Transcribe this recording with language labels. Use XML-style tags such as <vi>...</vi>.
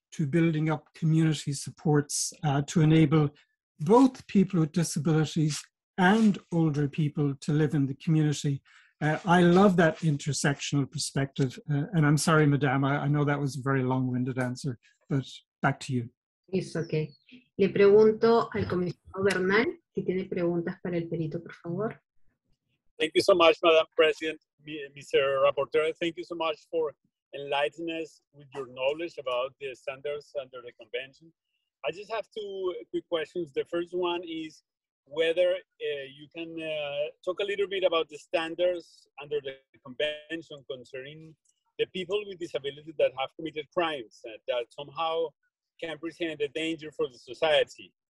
<en>to building up community supports to enable both people with disabilities and older people to live in the community. I love that intersectional perspective. And I'm sorry, madam, I know that was a very long-winded answer, but back to you. It's okay.</en> <es>Le pregunto al comisionado Bernal si tiene preguntas para el perito, por favor.</es> <en>Thank you so much, Madam President, Mr. Rapporteur. Thank you so much for enlightening us with your knowledge about the standards under the convention. I just have two quick questions. The first one is whether you can talk a little bit about the standards under the convention concerning the people with disabilities that have committed crimes that somehow can present a danger for the society.</en>